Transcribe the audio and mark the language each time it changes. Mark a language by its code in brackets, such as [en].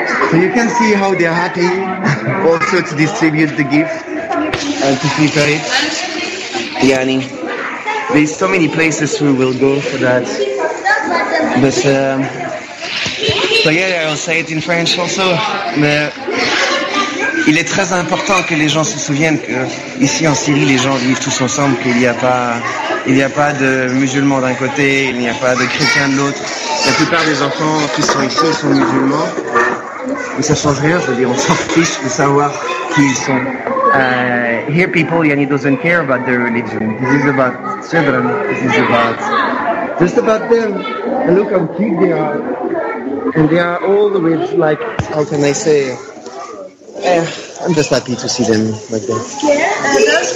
[en] So you can see how they're happy also to distribute the gift and to prepare it. Yani, there's so many places we will go for that. But so yeah, I'll say it in French also. [fr] Mais il est très important que les gens se souviennent que ici en Syrie, les gens vivent tous ensemble, qu'il n'y a pas, il n'y a pas de musulmans d'un côté, il n'y a pas de chrétiens de l'autre. La plupart des enfants qui sont ici sont musulmans. Mais ça change rien, je veux dire, on s'en fiche de savoir qui ils sont. [en] Here people, Yanni doesn't care about their religion. This is about children. This is about, just about them. And look how cute they are. And they are all with, like, how can I say? I'm just happy to see them like that.